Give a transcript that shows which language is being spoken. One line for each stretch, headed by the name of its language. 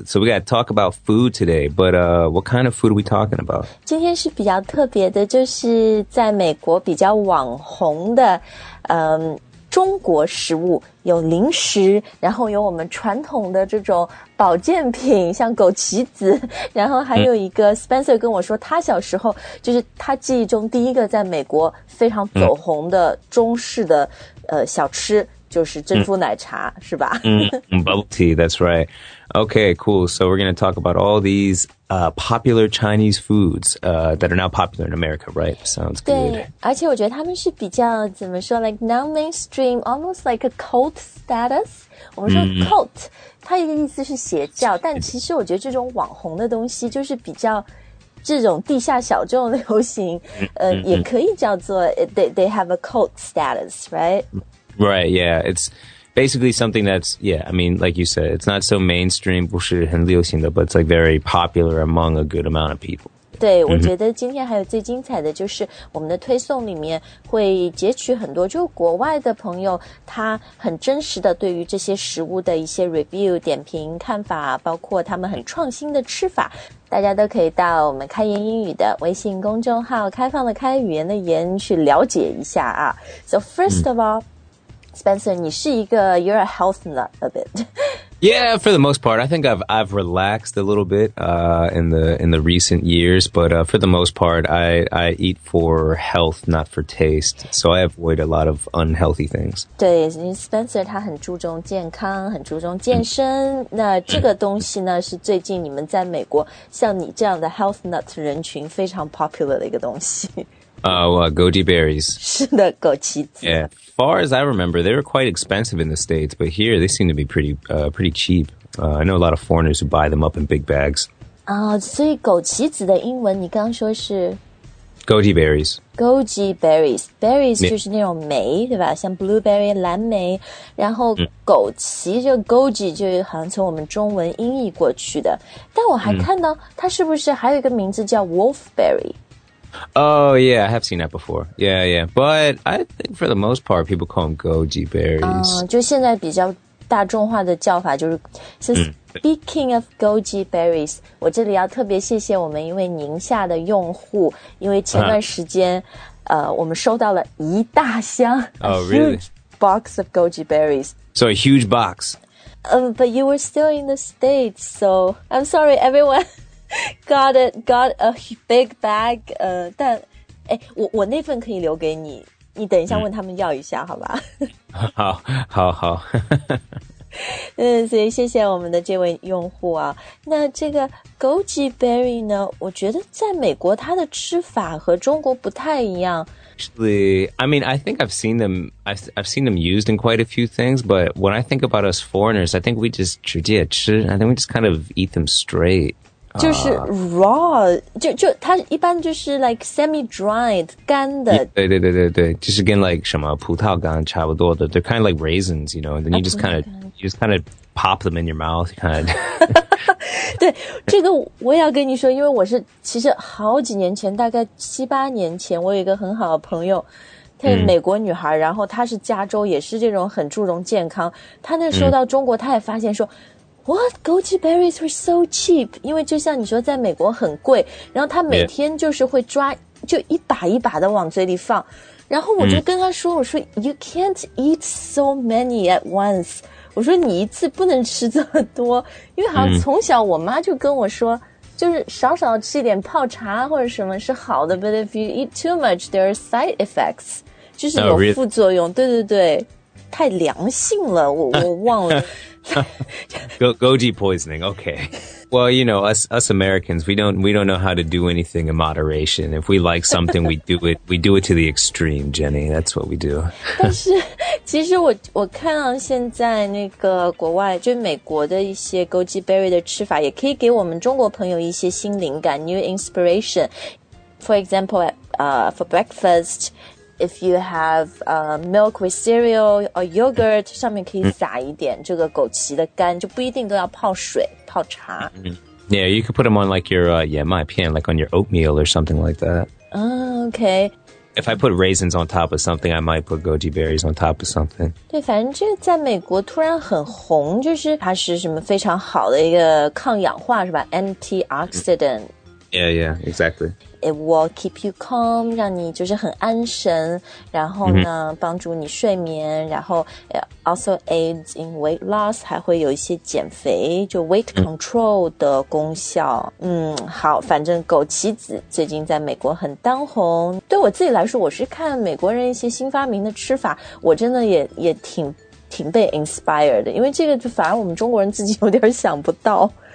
English: So we got to talk about food today, but what kind of food are we talking about?
Chinese: 今天是比较特别的，就是在美国比较网红的，中国食物有零食，然后有我们传统的这种保健品，像枸杞子，然后还有一个 Spencer 跟我说，他小时候就是他记忆中第一个在美国非常走红的中式的小吃，就是珍珠奶茶，是吧？
English: Bubble tea, that's right. Okay, cool. So we're going to talk about all these popular Chinese foods that are now popular in America, right? Sounds good.
Chinese: 对，而且我觉得他们是比较怎么说 ，
English: like non-mainstream, almost like a cult status.
Chinese: 我们说 cult，它一个意思是邪教，但其实我觉得这种网红的东西就是比较这种地下小众流行，也可以叫做
English: they have a cult status, right? Right. Yeah. It's. Basically something that's, yeah, I mean, like you said, it's not so mainstream,
Chinese: 不是很流行的,
English: but it's like very popular among a good amount of people.
Chinese: 对,我觉得今天还有最精彩的就是我们的推送里面会截取很多就国外的朋友他很真实的对于这些食物的一些
English: review,
Chinese: 点评看法包括他们很创新的吃法。大家都可以到我们开言英语的微信公众号开放的开语言的言去了解一下啊。
English: So first of all,Spencer,
Chinese: 你是一个
English: you're a health nut a bit. Yeah, for the most part, I think I've relaxed a little bit in the recent years. But for the most part, I eat for health, not for taste. So I avoid a lot of unhealthy things.
Chinese: 对 ，Spencer 他很注重健康，很注重健身。那这个东西呢，是最近你们在美国像你这样的
English: health nut
Chinese: 人群非常
English: popular
Chinese: 的一个东西。
English: Goji berries.
Chinese: 是的，枸杞子。
English: Yeah, far as I remember, they were quite expensive in the States, but here they seem to be pretty cheap. I know a lot of foreigners who buy them up in big bags.
Chinese: 啊，所以枸杞子的英文你刚说是
English: Goji berries. Goji berries.
Chinese: Berries 就是那种莓，对吧？像
English: blueberry
Chinese: 蓝莓，然后枸杞就 Goji 就好像从我们中文音译过去的。但我还看到它是不是还有一个名字叫
English: wolfberry? Oh, yeah, I have seen that before. Yeah, yeah. But I think for the most part, people call them goji berries.
Chinese: 就现在比较大众化的叫法就是
English: So speaking of goji berries,
Chinese: 我这里要特别谢谢我们一位宁夏的用户因为前段时间、我们收到了一大箱
English: huge box of goji berries. So a huge box. But you were still in the States, so I'm sorry, everyone. Got a big bag,
Chinese: 但我那份可以留给你，你等一下问他们要一下，好吧？好，好，好。所以谢谢我们的这位用户啊。那这个goji berry呢，我觉得在美国它的吃法和中国不太一样。
English: Actually, I mean, I think I've seen them used in quite a few things, but when I think about us foreigners, I think we just
Chinese: 直接吃
English: I think we just kind of eat them straight.
Chinese: 就是
English: raw,
Chinese: 就它一般就是
English: like semi-dried,
Chinese: 干的。对对对对对就是跟
English: like
Chinese: 什么葡萄干差不多的
English: They're kind of like raisins, you know, and then you just kind of pop them in your mouth, kind of.
Chinese: 对这个我也要跟你说因为我是其实好几年前大概七八年前我有一个很好的朋友她是美国女孩然后她是加州也是这种很注重健康她那时候到中国她也发现说
English: What? Goji berries were so cheap.
Chinese: 因为就像你说在美国很贵然后他每天就是会抓就一把一把的往嘴里放。然后我就跟他说我说
English: You can't eat so many at once.
Chinese: 我说你一次不能吃这么多。因为好像从小我妈就跟我说就是少少吃一点泡茶或者什么是好的
English: But if you eat too much, there are side effects.
Chinese: 就是有副作用、
English: oh, really?
Chinese: 对对对。太良性了我忘了。
English: Goji poisoning, okay. Well, you know, us Americans, we don't know how to do anything in moderation. If we like something, we do it to the extreme, Jenny. That's what we do.
Chinese: 但是其实我看到现在那个国外，就美国的一些 goji berry 的吃法，也可以给我们中国朋友一些新灵感 ，
English: new inspiration. For example, for breakfast. If you have milk with cereal or yogurt,
Chinese: 上面可以撒一点这个枸杞的干，就不一定都要泡水泡茶。
English: Yeah, you could put them on like your yamai pan, like on your oatmeal or something like that. Okay. If I put raisins on top of something, I might put goji berries on top of something.
Chinese: 对，反正这在美国突然很红，就是它是什么非常好的一个抗氧化，是吧 ？
English: Antioxidant. Yeah, yeah, exactly. It will keep you calm,
Chinese: 让你就是很安神，然后呢、
English: mm-hmm.
Chinese: 帮助你睡眠，然后
English: it also aids in weight loss,
Chinese: 还会有一些减肥，就
English: weight control
Chinese: 的功效。 Mm-hmm. 嗯，好，反正枸杞子最近在美国很当红。对我自己来说，我是看美国人一些新发明的吃法，我真的也挺被
English: inspired,
Chinese: 因为这个就反而我们中国人自己有点想不到。